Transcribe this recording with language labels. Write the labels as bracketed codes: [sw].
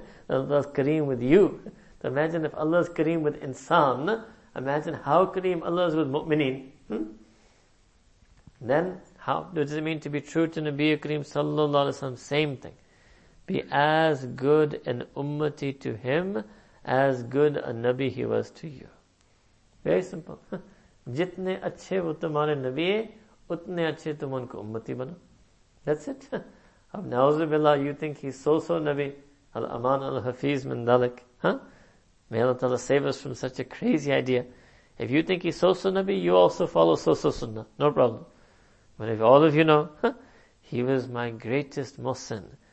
[en] Allah's kareem with you. So imagine if Allah is kareem with insan, imagine how kareem Allah is with mu'mineen. Then, how does it mean to be true to Nabiya Kareem sallallahu alayhi wa sallam? Same thing. Be as good an ummati to him, as good a Nabi he was to you. Very simple. [ur] جتنے اچھے وہ تمہارے نبی ہے، اتنے اچھے تم ان کو امتی بنو۔ [en] That's it. Ab na'uzu billah, you think he's so Nabi. [ar] Al-aman al-hafiz min dalik. [en] May Allah Ta'ala save us from such a crazy idea. If you think he's so Nabi, you also follow so sunnah. No problem. But if all of you know, he was my greatest muhsin.